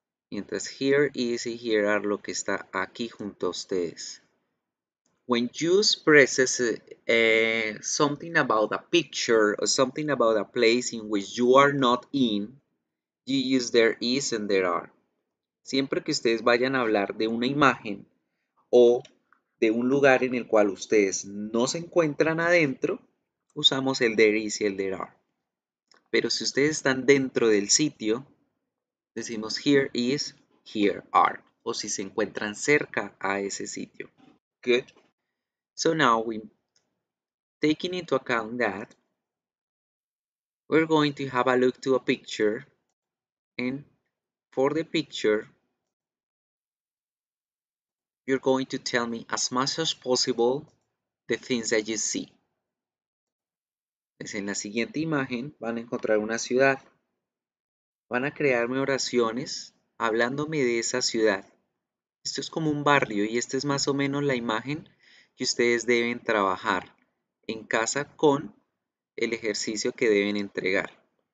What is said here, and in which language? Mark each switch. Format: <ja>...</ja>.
<es>Mientras here is y here are lo que está aquí junto a ustedes.</es> <en>When you express something about a picture or something about a place in which you are not in, you use there is and there are.</en> <es>Siempre que ustedes vayan a hablar de una imagen o de un lugar en el cual ustedes no se encuentran adentro, usamos el there is y el there are. Pero si ustedes están dentro del sitio, decimos here is, here are. O si se encuentran cerca a ese sitio.</es> <en>Good. So now we taking into account that we're going to have a look to a picture, and for the picture you're going to tell me as much as possible the things that you see.</en> <es>Pues en la siguiente imagen van a encontrar una ciudad. Van a crearme oraciones hablándome de esa ciudad. Esto es como un barrio y esta es más o menos la imagen que ustedes deben trabajar en casa con el ejercicio que deben entregar.</es>